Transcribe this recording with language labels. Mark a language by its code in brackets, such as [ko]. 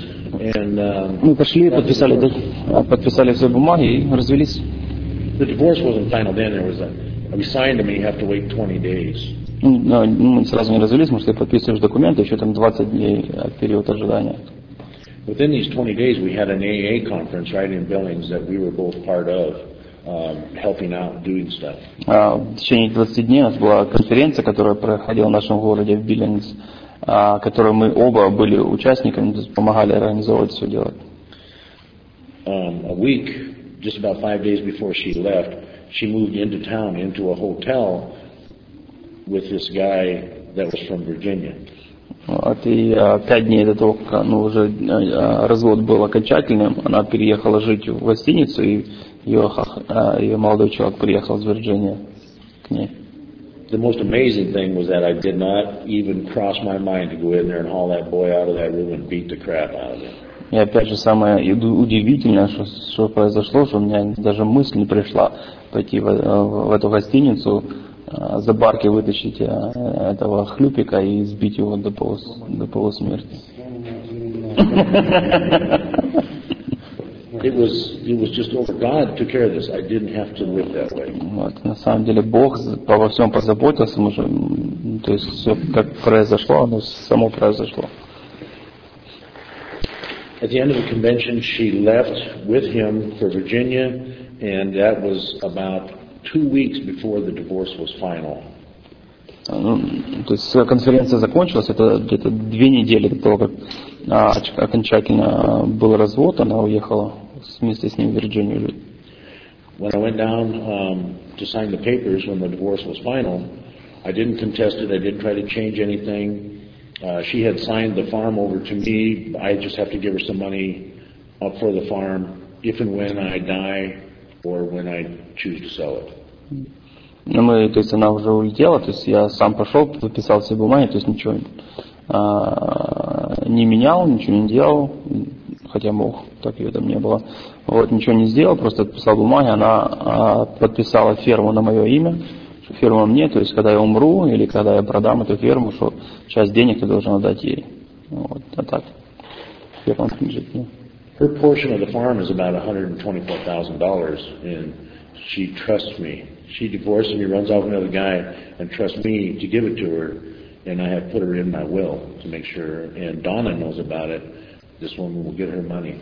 [ru] Мы пошли, подписали все бумаги и развелись. [en] The divorce wasn't final then, there was a we signed them and you have to wait 20 days. [ru] Ну, мы сразу не развелись, потому что ты подписываешь документы, еще там 20 дней период ожидания. [en] Within these 20 days, we had an AA conference right in Billings that we were both part of, helping out, doing stuff. [ru] В течение 20 дней у нас была конференция, которая проходила в нашем городе в Биллингс, которую мы оба были участниками, помогали организовывать все делать. [en] A week, just about 5 days before she left, she moved into town, into a hotel with this guy that was from Virginia. [ru] Вот, и 5 дней до того, как развод был окончательным, она переехала жить в гостиницу, и ее молодой человек приехал из Вирджинии к ней. [en] The most amazing thing was that I did not even cross my mind to go in there and haul that boy out of that room and beat the crap out of him. [ru] И опять же самое удивительное, что произошло, что у меня даже мысль не пришла пойти в эту гостиницу, за барки вытащить этого хлюпика и сбить его до полусмерти. [en] It was just over. God took care of this. I didn't have to live that way. [ru] Вот, на самом деле Бог обо всем позаботился, то есть все как произошло, оно само произошло. [en] At the end of the convention, she left with him for Virginia, and that was about 2 weeks before the divorce was final. [ru] То есть конференция закончилась, это где-то 2 недели до того, как окончательно был развод, она уехала вместе с ним в Вирджинию жить. [en] When I went down to sign the papers when the divorce was final, I didn't contest it, I didn't try to change anything. She had signed the farm over to me, I just have to give her some money up for the farm if and when I die or when I choose to sell it. [ru] Ну, мы, то есть она уже улетела, то есть я сам пошел, подписал все бумаги, то есть ничего не менял, ничего не делал, хотя мог, так ее там не было. Вот, ничего не сделал, просто подписал бумаги, она подписала ферму на мое имя, ферма мне, то есть когда я умру или когда я продам эту ферму, что часть денег ты должен отдать ей. Вот, а так, ферма принадлежит мне. [en] Her portion of the farm is about $124,000, and she trusts me. She divorces me, runs off with another guy, and trusts me to give it to her, and I have put her in my will to make sure, and Donna knows about it. This woman will get her money.